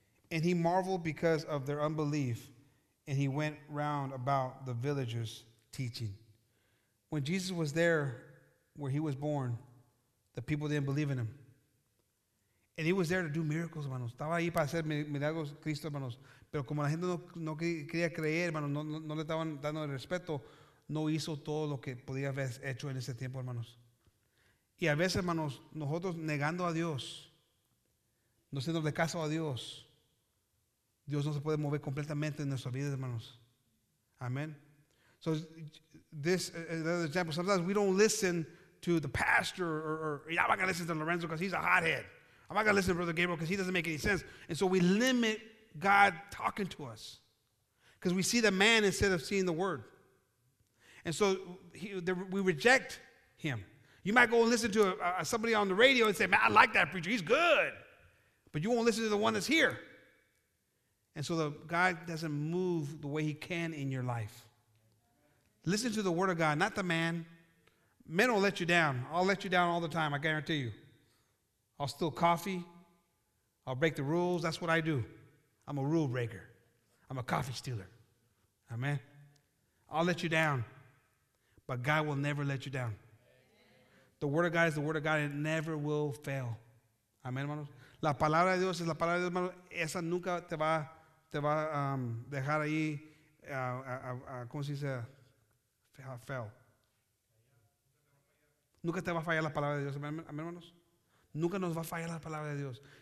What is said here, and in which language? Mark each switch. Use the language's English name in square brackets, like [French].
[English] And he marveled because of their unbelief, and he went round about the villages teaching. When Jesus was there where he was born, the people didn't believe in him. And he was there to do miracles, hermanos. [Spanish] Estaba ahí para hacer milagros, Cristo, hermanos. Pero como la gente no quería creer, hermanos, no le estaban dando el respeto, no hizo todo lo que podía haber hecho en ese tiempo, hermanos. Y a veces, hermanos, nosotros negando a Dios, no haciéndole caso a Dios, Dios no se puede mover completamente en nuestra vida, hermanos. [English] Amen. So this another example. Sometimes we don't listen to the pastor or I'm not going to listen to Lorenzo because he's a hothead. I'm not going to listen to Brother Gabriel because he doesn't make any sense. And so we limit God talking to us because we see the man instead of seeing the word. And so we reject him. You might go and listen to somebody on the radio and say, man, I like that preacher. He's good. But you won't listen to the one that's here. And so God doesn't move the way he can in your life. Listen to the word of God, not the man. Men will let you down. I'll let you down all the time, I guarantee you. I'll steal coffee. I'll break the rules. That's what I do. I'm a rule breaker. I'm a coffee stealer. Amen. I'll let you down. But God will never let you down. The word of God is the word of God. It never will fail. Amen, hermanos. [Spanish] La palabra de Dios es la palabra de Dios, hermano. Esa nunca te va a dejar ahí. ¿Cómo se dice? Fail. Nunca te va a fallar la palabra de Dios. Amén, hermanos. Nunca nos va a fallar la palabra de Dios.